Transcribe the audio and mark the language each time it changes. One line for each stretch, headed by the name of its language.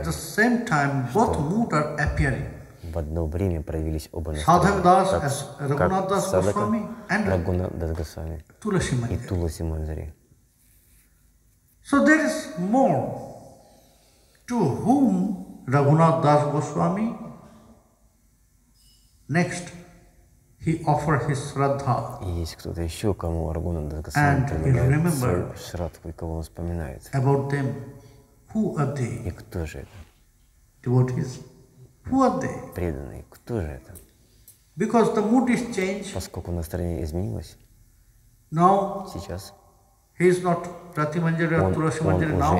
English: at the same time, both mood are appearing.
Russian: В одно время проявились оба настроения, как Das Goswami и Туласи Мандари.
English: So there is more. To whom Raghunath Das Goswami next he offered his Shraddha.
Russian: Есть кто-то еще, кому Raghunath Das Goswami предлагает Шрадху, и кого он вспоминает.
English: About them. Who are they?
Russian: И кто же это?
English: Devotees. Who are they?
Russian: Преданные. Кто же это?
English: Because the mood is changed.
Russian: Поскольку настроение изменилось.
English: Now.
Russian: Сейчас.
English: He is not Rati Manjari or Tulasi Manjari now.